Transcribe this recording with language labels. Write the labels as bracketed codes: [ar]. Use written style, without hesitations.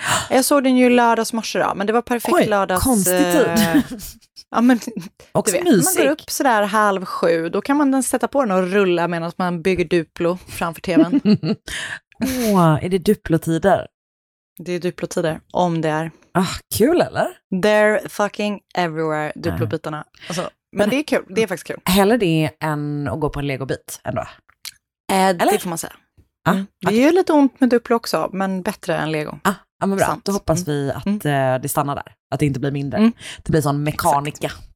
[sv] Jag såg den ju lördagsmorse då, men det var perfekt. Oj, lördags... Oj, konstig tid. Ja, men, också vet, mysig. Man går upp sådär 6:30, då kan man den sätta på den och rulla medan man bygger Duplo framför tvn. Åh, är det Duplo-tider? Det är Duplo-tider, om det är. Ah, kul eller? [en] They're fucking everywhere, [sv] Duplo-bitarna. Alltså, men det är kul, det är faktiskt kul. Heller det än att gå på en Lego-bit ändå? Eller? Det får man säga. Ah, det är ju lite ont med Duplo också, men bättre än Lego. Ah. Ja, men bra. Sant. Då hoppas vi att det stannar där. Att det inte blir mindre. Mm. Det blir sån mekanika.